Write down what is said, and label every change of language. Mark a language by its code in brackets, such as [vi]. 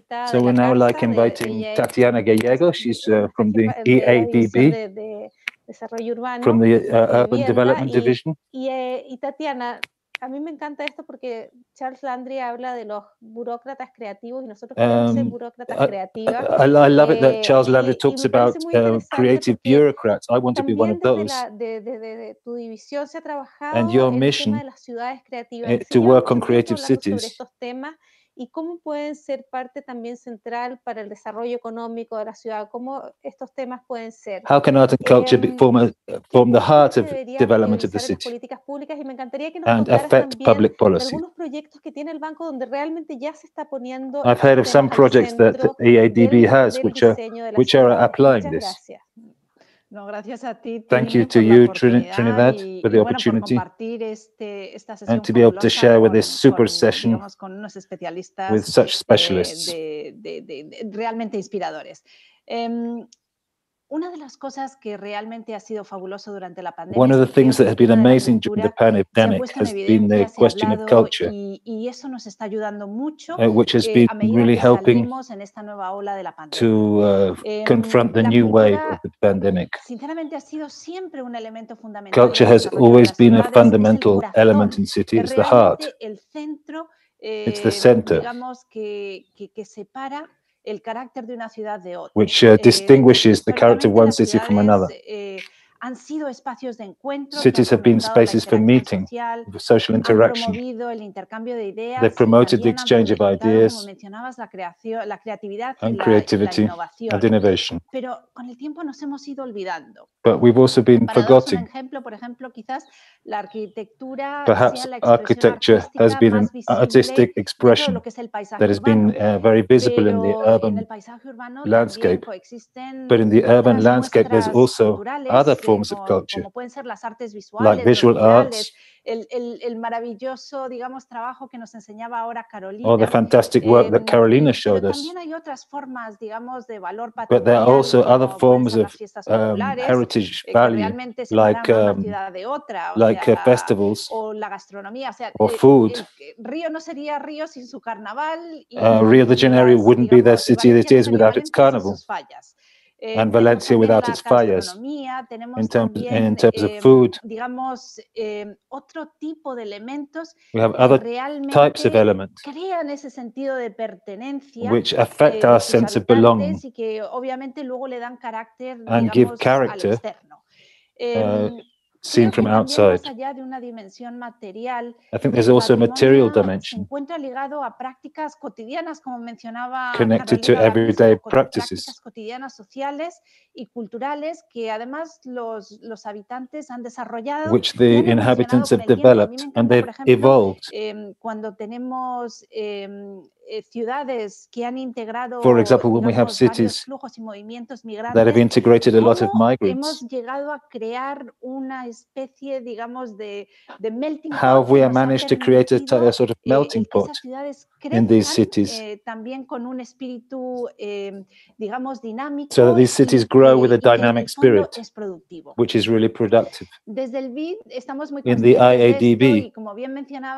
[en] So we're now like inviting Tatiana Gallego, she's from the EADB, from the Urban Development Division. [es] Y Tatiana, a mí me encanta esto porque Charles Landry habla de los burócratas creativos y nosotros conocemos burócratas creativas. [en] I love it that Charles Landry talks about creative bureaucrats. I want to be one of those. [es] De tu división se ha trabajado [en] and your mission [es] en el tema de las ciudades creativas. [en] To work on creative cities. [es] Sobre estos temas y cómo pueden ser parte también central para el desarrollo económico de la ciudad. ¿Cómo estos temas pueden ser? [en] How can art and culture form the heart of development of the city? [es] Políticas públicas y me encantaría que nos [en] and affect public policy. [es] Algunos proyectos que tiene el banco donde realmente ya se está poniendo. [en] I've heard of some projects that the EADB has which are applying this. [es] No, gracias a ti. [en] Thank you to you, Trinidad, for the opportunity. And to be able to share with this super session with such specialists. [es] Realmente inspiradores. Una de las cosas que realmente ha sido fabuloso durante la pandemia. [en] One of the things that has been amazing during the pandemic has been the question of culture. [es] Y eso nos está ayudando mucho. [en] Which has been really helping [es] en esta nueva ola de la pandemia. [en] To confront the new wave of the pandemic. [es] Sinceramente ha sido siempre un elemento fundamental. [en] Culture has always been a fundamental element in cities. It's the heart. [es] El centro, [en] it's the center. [es] Digamos que separa el carácter de una ciudad de otra. [en] Which distinguishes the character of one city from another. [es] Han sido espacios de encuentro. [en] Cities have been spaces for meeting, for social interaction. [es] Han promovido el intercambio de ideas. [en] They've promoted the exchange of ideas. [es] Como mencionabas, la creatividad [en] and creativity and innovation. [es] Pero con el tiempo nos hemos ido olvidando. [en] But we've also been forgetting. [es] Por ejemplo, quizás la arquitectura. [en] Perhaps architecture has been an artistic expression that has been very visible in the urban landscape. But in the urban landscape, there's also other forms of culture, [es] como pueden ser las artes visuales, [en] like visual arts, [es] el maravilloso, digamos, trabajo que nos enseñaba ahora Carolina, [en] or the fantastic work that Carolina showed us. [es] También hay otras formas, digamos, de valor patrimonial, [en] but there are also other forms of heritage value, like festivals [es] o la gastronomía, o sea, [en] or food. [es] Río no sería Río sin su carnaval. [en] Rio de Janeiro wouldn't be the city it is without its carnival. And Valencia without its fires, in terms of food. [es] Digamos, otro tipo de elementos, [en] we have other types of elements [es] ese sentido de pertenencia, [en] which affect our sense of belonging [es] y que obviamente luego le dan carácter, [en] and [es] digamos, [en] give character seen from outside. [es] Más allá de una dimensión material, [en] I think there's also a material dimension [es] se encuentra ligado a prácticas cotidianas, como mencionaba [en] connected [es] Carolina, [en] to everyday practices. [es] Prácticas cotidianas sociales y culturales que además los habitantes han desarrollado, [en] which the inhabitants have developed and they've evolved. [es] Cuando tenemos ciudades que han integrado, [en] for example, when we have cities that have integrated a lot of migrants, [es] hemos llegado a crear una especie, digamos, de melting pot. [en] How have we managed to create a sort of melting pot in these cities? [es] También con un espíritu, digamos, dinámico. [en] So that these cities grow with a dynamic spirit, which is really productive. [es] Desde el BID estamos muy [en] in the IADB, [es] y como bien mencionaba,